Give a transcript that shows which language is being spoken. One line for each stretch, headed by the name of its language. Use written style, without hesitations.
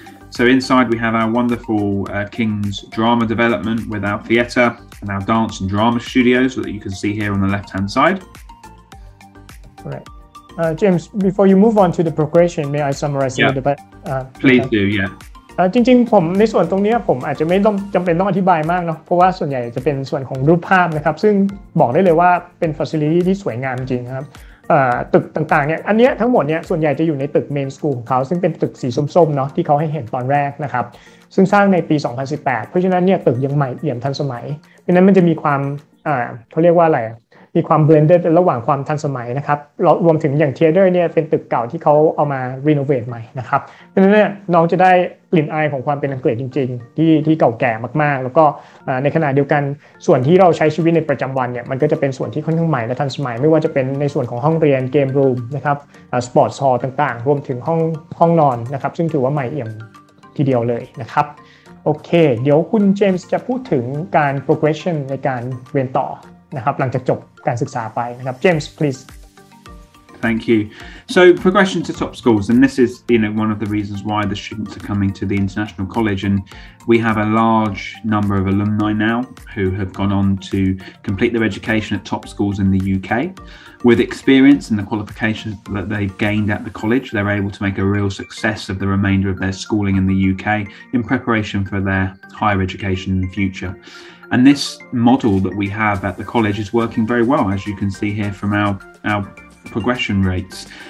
English: So inside we have our wonderful King's Drama Development with our theatre and our dance and drama studios that you can see here on the left-hand side. Right. James, before you move on to the progression, may I summarise a little bit? Please do, yeah.
Thai: จริงๆผมในส่วนตรงนี้ผมอาจจะไม่ต้องจำเป็นต้องอธิบายมากเนาะเพราะว่าส่วนใหญ่จะเป็นส่วนของรูปภาพนะครับซึ่งบอกได้เลยว่าเป็นฟาซิลิตี้ที่สวยงามจริงครับตึกต่างๆเนี่ยอันเนี้ยทั้งหมดเนี่ยส่วนใหญ่จะอยู่ในตึกเมนสคูลของเขาซึ่งเป็นตึกสีส้มๆเนาะที่เขาให้เห็นตอนแรกนะครับซึ่งสร้างในปี2018เพราะฉะนั้นเนี่ยตึกยังใหม่เอี่ยมทันสมัยเพราะฉะนั้นมันจะมีความเขาเรียกว่าอะไร มีความ blended ระหว่างความทันสมัยนะครับรวมถึงอย่าง Theater เนี่ยเป็นตึกเก่าที่เขาเอามา renovate ใหม่นะครับดังนั้นเนี่ยน้องจะได้กลิ่นอายของความเป็นอังกฤษจริงๆที่เก่าแก่มากๆแล้วก็ ในขณะเดียวกันส่วนที่เราใช้ชีวิตในประจำวันเนี่ยมันก็จะเป็นส่วนที่ค่อนข้างใหม่และทันสมัยไม่ว่าจะเป็นในส่วนของห้องเรียนเกมรูมนะครับสปอร์ตซอลต่างๆรวมถึงห้องนอนนะครับซึ่งถือว่าใหม่เอี่ยมทีเดียวเลยนะครับโอเคเดี๋ยวคุณเจมส์จะพูดถึงการ progression ในการเรียนต่อนะครับหลังจากจบการศึกษาไปนะครับเจมส์ please
English: thank you so progression to top schools and this is you know one of the reasons why the students are coming to the international college and we have a large number of alumni now who have gone on to complete their education at top schools in the UK with experience and the qualifications that they've gained at the college they're able to make a real success of the remainder of their schooling in the UK in preparation for their higher education in the future and this model that we have at the college is working very well as you can see here from our progression rates